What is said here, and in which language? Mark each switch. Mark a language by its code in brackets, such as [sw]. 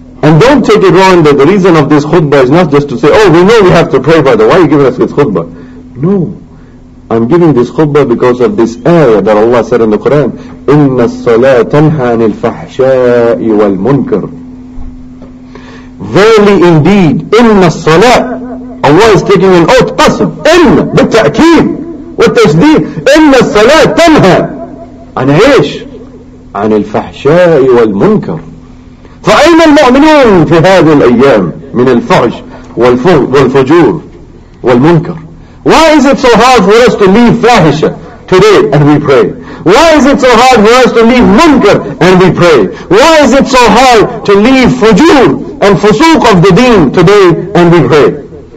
[en] And don't take it wrong that the reason of this khutbah is not just to say, oh, we know we have to pray, by the way, why are you giving us this khutbah? No. I'm giving this khutbah because of this ayah that Allah said in the Quran, [ar] إِنَّ الصَّلَاةَ تَنْهَى عَنِ الْفَحْشَاءِ وَالْمُنْكَرِ. [en] Verily indeed, [ar] إِنَّ الصَّلَاةَ, [en] Allah is taking an oath, [ar] qasr, in, بالتأكيد, والتشديد, إن الصلاة تنهى, عن إيش؟ عن الفحشاء والمنكر. فأين المؤمنون في هذه الأيام من الفحش والفجور والمنكر؟ [en] Why is it so hard for us to leave fahisha today and we pray? Why is it so hard for us to leave munkar and we pray? Why is it so hard to leave fujur and fusuq of the deen today and we pray?